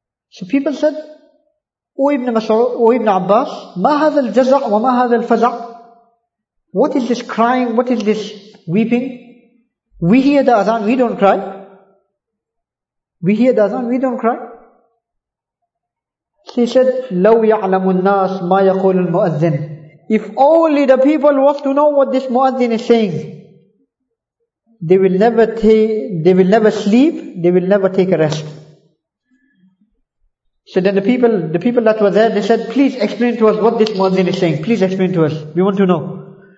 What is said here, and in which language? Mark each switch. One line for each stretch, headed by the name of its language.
English: So people said,
Arabic: O Ibn Abbas, ma hadha al-jaza' wa ma hadha al-faza'?
English: What is this crying? What is this weeping? We hear the adhan, we don't cry. We hear the adhan, we don't cry. She said,
Arabic: لَوْ يَعْلَمُ النَّاسِ مَا يَقُولُ الْمُؤَذِّنِ.
English: If only the people was to know what this muazzin is saying, they will never sleep, they will never take a rest. So then the people that were there, they said, please explain to us what this muazzin is saying. Please explain to us. We want to know.